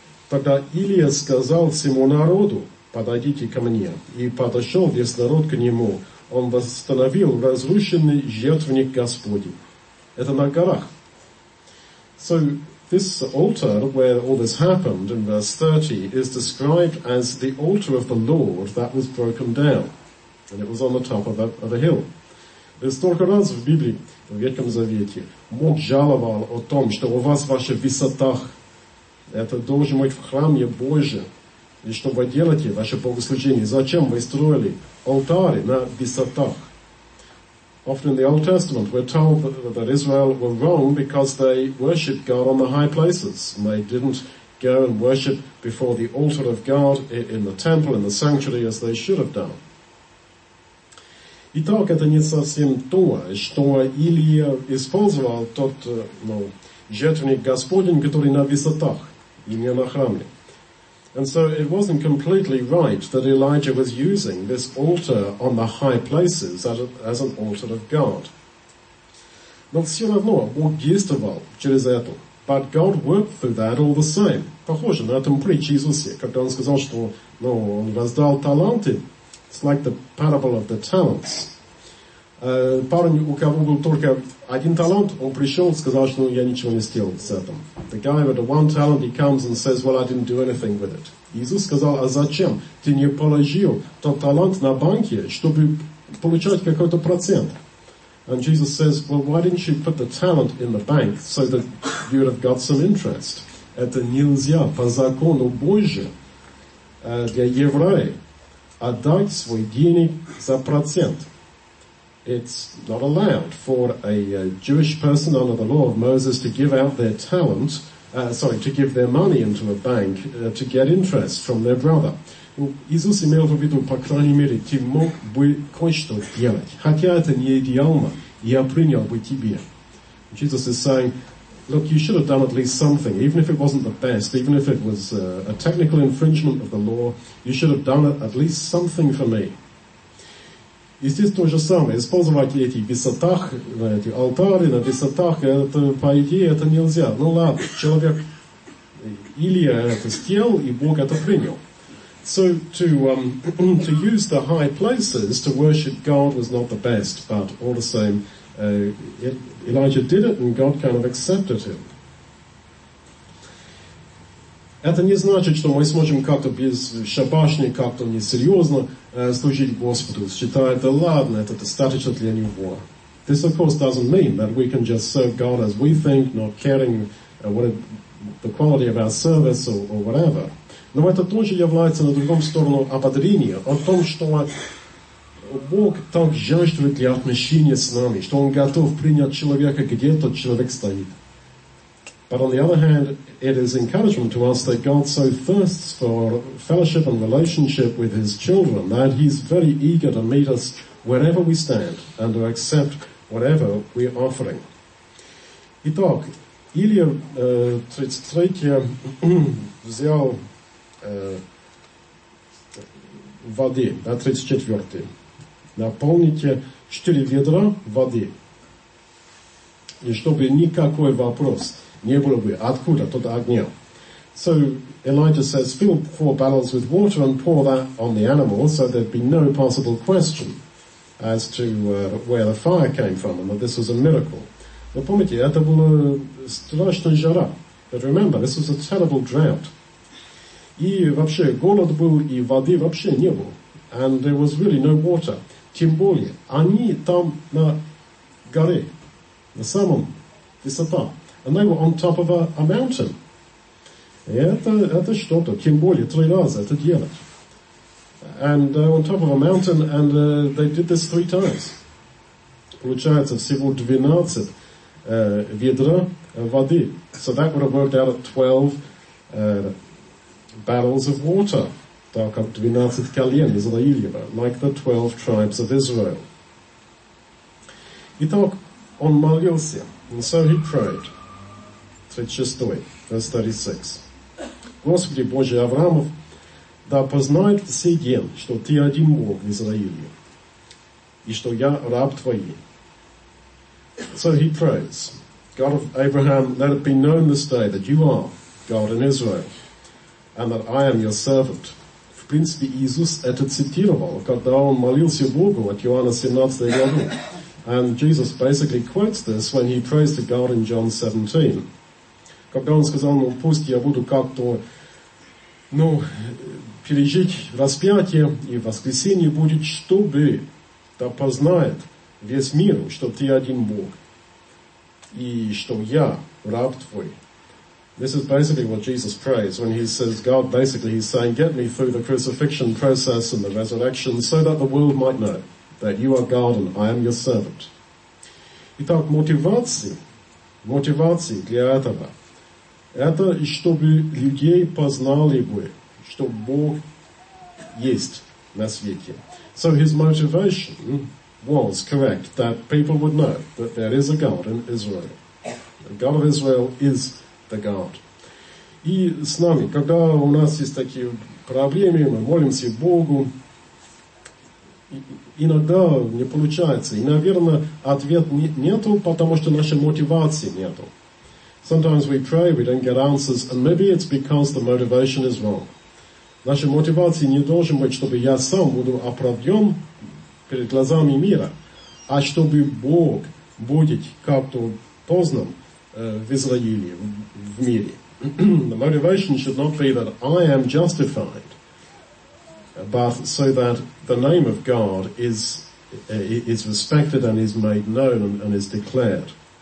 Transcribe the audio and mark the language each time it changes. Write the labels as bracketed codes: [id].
[ru] Тогда Илия сказал всему народу, подойдите ко мне. И подошел весь народ к нему. Он восстановил разрушенный жертвенник Господень. Это на горах. [en] So this altar where all this happened in verse 30 is described as the altar of the Lord that was broken down. And it was on the top of a hill. [ru] И столько раз в Библии, в Ветхом Завете, Бог жаловал о том, что у вас ваши высотах, это должен быть в храме Божьем. И что вы делаете, ваше богослужение? Зачем вы строили алтари на высотах? [en] Often in the Old Testament we're told that Israel were wrong because they worshipped God on the high places. And they didn't go and worship before the altar of God in the temple, in the sanctuary, as they should have done. [ru] Итак, это не совсем то, что Илия использовал тот жертвенник Господень, который на высотах, и не на храме. [en] And so it wasn't completely right that Elijah was using this altar on the high places as an altar of God. [ru] Но все равно Бог действовал через это. [en] But God worked through that all the same. [ru] Похоже на этом притч Иисусе, когда он сказал, что он раздал таланты. [en] It's like the parable of the talents. [ru] Парень, у кого был только один талант, он пришел и сказал, что я ничего не сделал с этим. [en] The guy with the one talent, he comes and says, well, I didn't do anything with it. [ru] Иисус сказал, а зачем? Ты не положил тот талант на банке, чтобы получать какой-то процент. [en] And Jesus says, well, why didn't you put the talent in the bank so that you would have got some interest? [ru] Это нельзя по закону Божьему для евреев отдать свой денег за процент. [en] It's not allowed for a Jewish person under the law of Moses to give out their talent, to give their money into a bank to get interest from their brother. [ru] Иисус имел в виду, по крайней мере, ты мог бы кое-что делать, хотя это не идеально, я принял бы тебе. [en] Jesus is saying, look, you should have done at least something, even if it wasn't the best, even if it was a technical infringement of the law, you should have done at least something for me. [ru] И здесь то же самое. Использовать эти высотах, эти алтари на высотах, это, по идее, это нельзя. Ну ладно, человек Илия это сделал, и Бог это принял. [en] So to use the high places to worship God was not the best, but all the same, Elijah did it, and God kind of accepted him. [ru] Это не значит, что мы сможем как-то бесшабашно, как-то несерьезно служить Господу, считая, да ладно, это достаточно для Него. [en] This, of course, doesn't mean that we can just serve God as we think, not caring the quality of our service or whatever. [ru] Но это тоже является на другом сторону ободрения, о том, что Бог так жаждет для отношения с нами, что Он готов принять человека, где тот человек стоит. [en] But on the other hand, it is encouragement to us that God so thirsts for fellowship and relationship with His children that He's very eager to meet us wherever we stand and to accept whatever we are offering. [ru] Итак, Илия 33 взял воды, 34. наполните 4 ведра воды. И чтобы никакой вопрос не было бы, откуда тот огня. [en] So Elijah says, fill 4 barrels with water and pour that on the animal, so there'd be no possible question as to where the fire came from, and that this was a miracle. [ru] Вы помните, это была страшная жара. [en] But remember, this was a terrible drought. [ru] И вообще, голод был, и воды вообще не было. [en] And there was really no water. [ru] Тем более, они там на горе, на самом высоте. [en] And they were on top of a mountain. [ru] И это что-то, тем более, 3 раза это делать. [en] And on top of a mountain, and they did this 3 times. [ru] Получается, всего 12 ведра воды. [en] So that would have worked out at 12 barrels of water. [ru] Так, 12 колен Израилева, [en] like the 12 tribes of Israel. [ru] Итак, он молился, [en] and so he prayed. 36, verse 36. [ru] Господи Божий Авраамов, да познает сей день, что ты один Бог в Израиле, и что я раб твой. [en] So he prays, God of Abraham, let it be known this day that you are God in Israel, and that I am your servant. [ru] В принципе, Иисус это цитировал, когда он молился Богу от Иоанна 17 года. [en] And Jesus basically quotes this when he prays to God in John 17. [ru] Когда он сказал, ну пусть я буду как-то, ну, пережить распятие и воскресение будет, чтобы да познает весь мир, что ты один Бог и что я раб твой. [en] This is basically what Jesus prays when he says, God, basically he's saying, get me through the crucifixion process and the resurrection so that the world might know that you are God and I am your servant. [ru] Итак, мотивация для этого. Это чтобы людей познали бы, что Бог есть на свете. [en] So his motivation was correct, that people would know that there is a God in Israel. The God of Israel is the God. [ru] И с нами, когда у нас есть такие проблемы, мы молимся Богу, иногда не получается. И, наверное, ответ нету, потому что нашей мотивации нету. [en] Sometimes we pray, we don't get answers, and maybe it's because the motivation is wrong. [ru] Наша мотивация не должна быть, чтобы я сам буду оправдан перед глазами мира, а чтобы Бог будет как-то познан в Израиле, в мире. [en] The motivation should not be that I am justified, but so that the name of God is respected and is made known and is declared.